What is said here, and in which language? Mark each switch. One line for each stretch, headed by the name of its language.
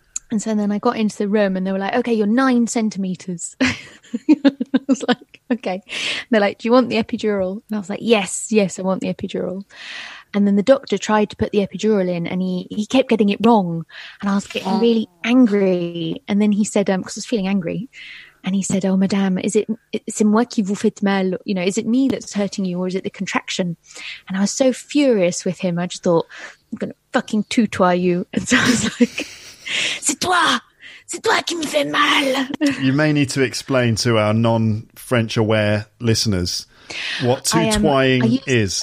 English: And so then I got into the room and they were like, okay, you're 9 centimeters. I was like, okay. And they're like, do you want the epidural? And I was like, yes, I want the epidural. And then the doctor tried to put the epidural in and he kept getting it wrong. And I was getting really angry. And then he said, because I was feeling angry. And he said, oh, madame, is it,
French: c'est moi qui vous faites mal?
English: You know, is it me that's hurting you or is it the contraction? And I was so furious with him. I just thought, I'm going to fucking tutoi you. And so I was like...
French: C'est toi qui me fait mal.
English: You may need to explain to our non-French aware listeners what tutoying is.